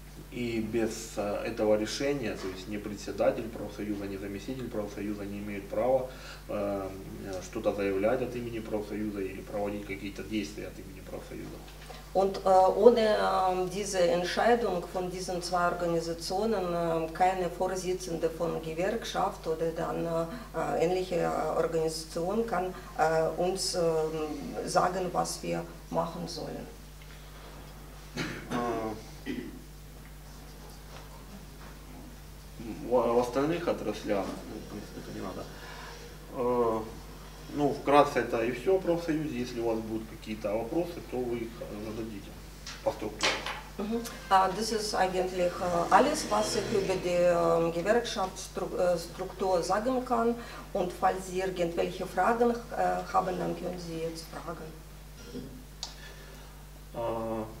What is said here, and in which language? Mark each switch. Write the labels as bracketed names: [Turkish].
[Russian] И без этого решения, то есть ни председатель профсоюза, ни заместитель профсоюза не имеют права что-то заявлять от имени профсоюза или проводить какие-то действия от имени профсоюза. [German] Und ohne diese Entscheidung von diesen zwei Organisationen, keine Vorsitzende von Gewerkschaft oder dann ähnliche Organisation kann uns sagen, was wir machen sollen. [Russian] В остальных отраслях, ну, в принципе, это не надо. Ну, вкратце это и все о профсоюзе. Если у вас будут какие-то вопросы, то вы их зададите по структуре. [German] Das ist eigentlich alles, was ich über die Gewerkschaftsstruktur sagen kann. Und falls Sie irgendwelche Fragen haben, dann können Sie jetzt fragen.